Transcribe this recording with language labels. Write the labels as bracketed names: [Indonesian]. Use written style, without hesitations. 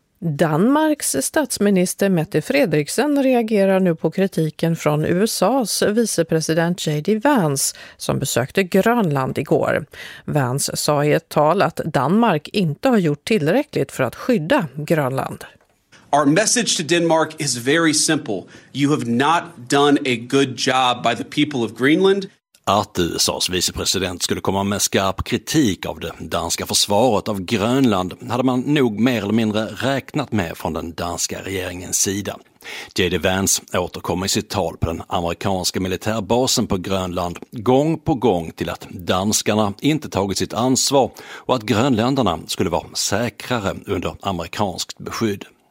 [Swedish] Danmarks statsminister Mette Frederiksen reagerar nu på kritiken från USAs vicepresident J.D. Vance som besökte Grönland igår. Vance sa i ett tal att Danmark inte har gjort tillräckligt för att skydda Grönland. [English] Our message to Denmark is very simple. You have not done a good job by the people of Greenland. [Swedish] Att USAs vicepresident skulle komma med skarp kritik av det danska försvaret av Grönland hade man nog mer eller mindre räknat med från den danska regeringens sida. J.D. Vance återkommer i sitt tal på den amerikanska militärbasen på Grönland gång på gång till att danskarna inte tagit sitt ansvar och att grönländarna skulle vara säkrare under amerikanskt beskydd.